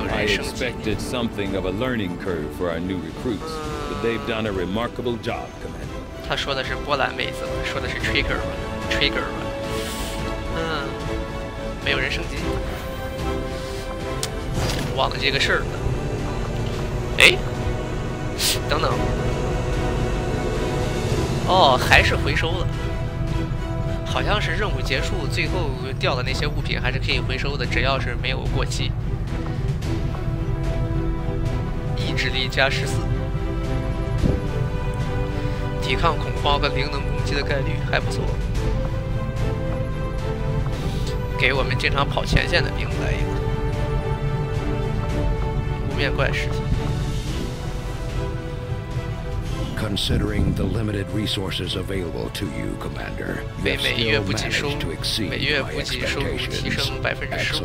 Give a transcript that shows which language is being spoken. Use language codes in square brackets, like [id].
[en] Something of a learning curve for our new recruits, but they've done a remarkable job, Commander. [zh] 他说的是波兰妹子，说的是 Trigger 吧 ，Trigger 吧。嗯，没有人升级，忘了这个事儿了。哎，等等，哦，还是回收了。好像是任务结束，最后掉的那些物品还是可以回收的，只要是没有过期。智力加14，抵抗恐慌和灵能攻击的概率还不错，给我们经常跑前线的兵来一个无面怪尸体。 [en] Considering the limited resources available to you, Commander, you've still managed to exceed my expectations.